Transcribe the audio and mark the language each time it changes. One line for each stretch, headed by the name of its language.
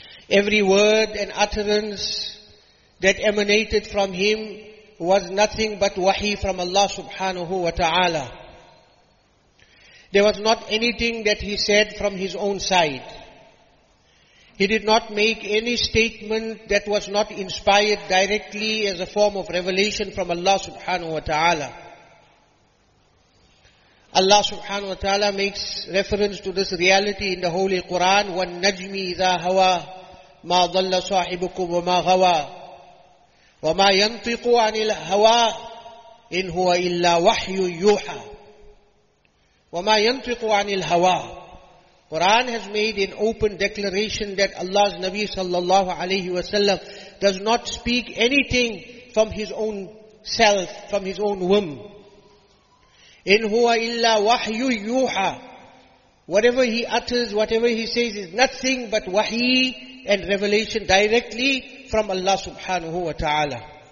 English: Every word and utterance that emanated from him was nothing but wahi from Allah subhanahu wa ta'ala. There was not anything that he said from his own side. He did not make any statement that was not inspired directly as a form of revelation from Allah subhanahu wa ta'ala. Allah subhanahu wa ta'ala makes reference to this reality in the Holy Quran,
Arabic: وَالنَّجْمِ إِذَا هَوَى مَا ضَلَّ صَاحِبُكُمْ وَمَا غَوَى وَمَا يَنْطِقُ عَنِ الْهَوَى إِنْ هُوَ إِلَّا وَحْيٌ يُوحَى وَمَا يَنْطِقُ عَنِ الْهَوَى.
English: Quran has made an open declaration that Allah's Nabi sallallahu alayhi wa sallam does not speak anything from his own self, from his own womb.
Arabic: In huwa illa wahyu yuha.
English: Whatever he utters, whatever he says is nothing but wahi and revelation directly from Allah subhanahu wa ta'ala.